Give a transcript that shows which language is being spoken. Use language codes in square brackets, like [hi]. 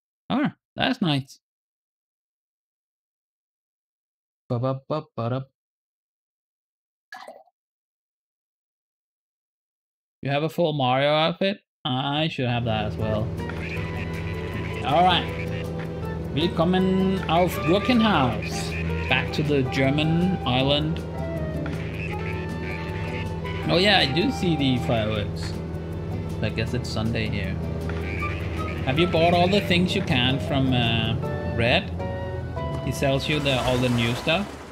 [en] Oh, that's nice. Ba-ba-ba-ba-da. You have a full Mario outfit? I should have that as well. Alright. [de] Willkommen auf Burkenhaus. [en] Back to the German island. Oh yeah, I do see the fireworks. I guess it's Sunday here. Have you bought all the things you can from Red? He sells you all the new stuff.